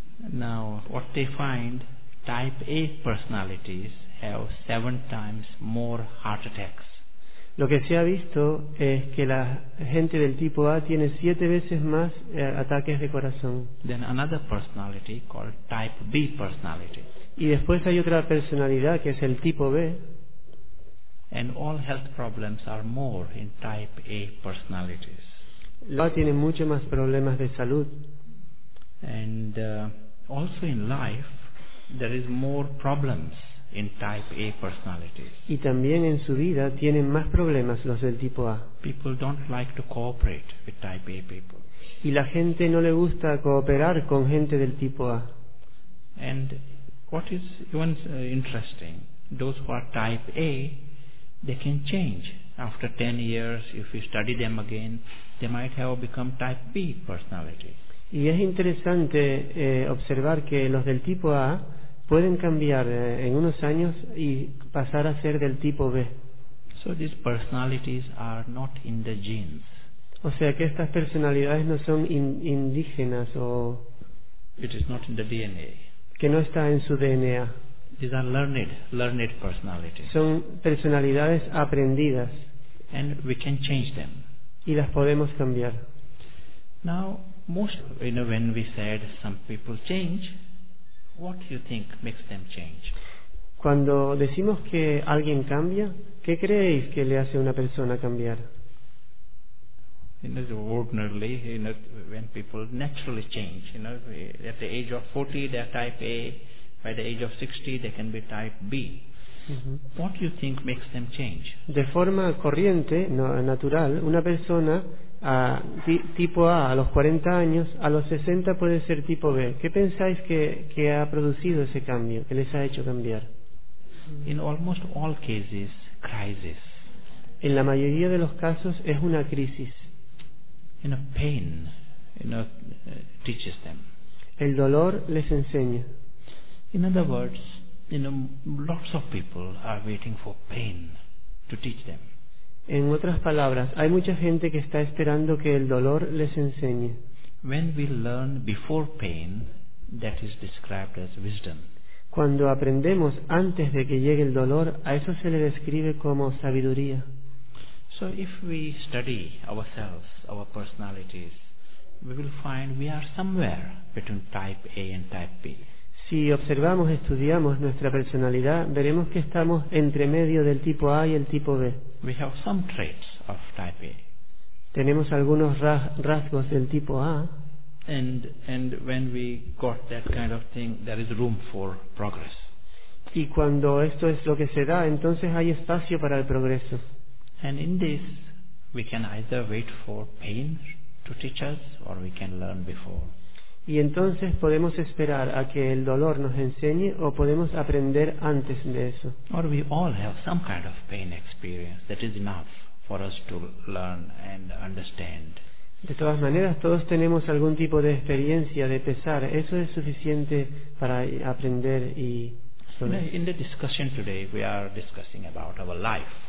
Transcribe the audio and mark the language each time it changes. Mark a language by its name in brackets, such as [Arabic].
[English] Now, what they find, type A personalities have 7 times more heart attacks. [Spanish] Lo que se ha visto es que la gente del tipo A tiene 7 veces más ataques de corazón. [English] Then another personality called type B personality. [Spanish] Y después hay otra personalidad que es el tipo B. [English] And all health problems are more in type A personalities. [Spanish] La A tiene mucho más problemas de salud. [English] And also in life, there is more problems in type A personalities. [Spanish] Y también en su vida tienen más problemas los del tipo A. [English] People don't like to cooperate with type A people. [Spanish] Y la gente no le gusta cooperar con gente del tipo A. [English] And what is even interesting, those who are type A, they can change. After 10 years, if you study them again, they might have become type B personalities. [Spanish] Y es interesante observar que los del tipo A pueden cambiar en unos años y pasar a ser del tipo B. [English] So these personalities are not in the genes. [Spanish] O sea que estas personalidades no son indígenas o... [English] It is not in the DNA. [Spanish] Que no está en su DNA. [English] These are learned personalities. [Spanish] Son personalidades aprendidas. [English] And we can change them. [Spanish] Y las podemos cambiar. [English] Now, most, you know, when we said some people change, what do you think makes them change? [Spanish] Cuando decimos que alguien cambia, ¿qué creéis que le hace una persona cambiar? [English] You know, ordinarily, you know, when people naturally change, you know, at the age of 40 they are type A, by the age of 60 they can be type B. Mm-hmm. What do you think makes them change? [Spanish] De forma corriente, no, natural, una persona tipo A a los 40 años, a los 60 puede ser tipo B. ¿Qué pensáis que ha producido ese cambio, que les ha hecho cambiar? [English] In almost all cases, crisis. [Spanish] En la mayoría de los casos es una crisis. [English] In a pain, you know, teaches them. [Spanish] El dolor les enseña. [English] In other words, you know, lots of people are waiting for pain to teach them. [Spanish] En otras palabras, hay mucha gente que está esperando que el dolor les enseñe. [English] When we learn before pain, that is described as wisdom. [Spanish] Cuando aprendemos antes de que llegue el dolor, a eso se le describe como sabiduría. [English] So if we study ourselves, our personalities, we will find we are somewhere between type A and type B. [Spanish] Si observamos, estudiamos nuestra personalidad, veremos que estamos entre medio del tipo A y el tipo B. [English] We have some traits of type A. [Spanish] Tenemos algunos rasgos del tipo A. [English] And when we got that kind of thing, there is room for progress. [Spanish] Y cuando esto es lo que se da, entonces hay espacio para el progreso. [English] And in this, we can either wait for pain to teach us, or we can learn before. [Spanish] Y entonces podemos esperar a que el dolor nos enseñe, o podemos aprender antes de eso. [English] Or we all have some kind of pain experience that is enough for us to learn and understand. [Spanish] De todas maneras, todos tenemos algún tipo de experiencia de pesar. Eso es suficiente para aprender y. [English] In the discussion today, we are discussing about our life.